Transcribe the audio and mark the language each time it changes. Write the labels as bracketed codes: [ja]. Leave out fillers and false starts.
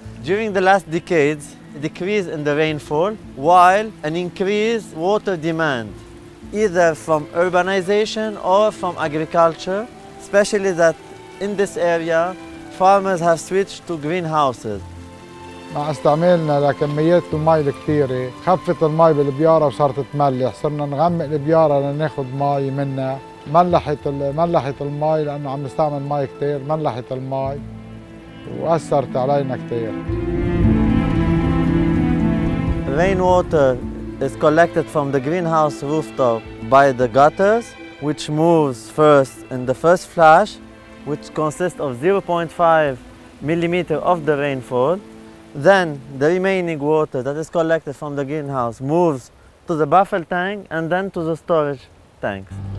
[en] During the last decades, a decrease in the rainfall while an increased water demand, either from urbanization or from agriculture, especially that in this area, farmers have switched to greenhouses. [ar] مع استعمالنا لكميات المي الكثيرة خفت المي بالبيارة وصارت تملح، صرنا نغمق البيارة لناخذ مي منها. ملحت المي لأنه عم نستعمل مي كتير، ملحت المي وأثرت علينا كتير. [en] Rain water is collected from the greenhouse rooftop by the gutters, which moves first in the first flash, which consists of 0.5 millimeter of the rainfall. Then the remaining water that is collected from the greenhouse moves to the buffer tank and then to the storage tanks.